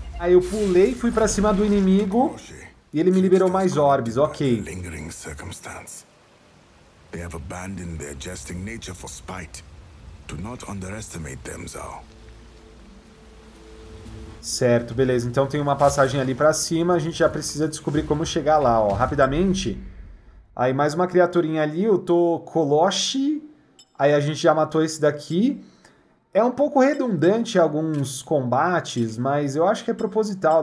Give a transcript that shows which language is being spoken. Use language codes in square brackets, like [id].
[pt] Eu pulei, fui pra cima do inimigo e ele me liberou mais orbes, ok. [en] Lingering circumstance. They have abandoned their jesting nature for spite. Do not underestimate them, Zhao. [pt] Certo, beleza. Então tem uma passagem ali para cima. A gente já precisa descobrir como chegar lá, ó. Rapidamente. Aí mais uma criaturinha ali. Eu tô Colosse. Aí a gente já matou esse daqui. É um pouco redundante alguns combates, mas eu acho que é proposital.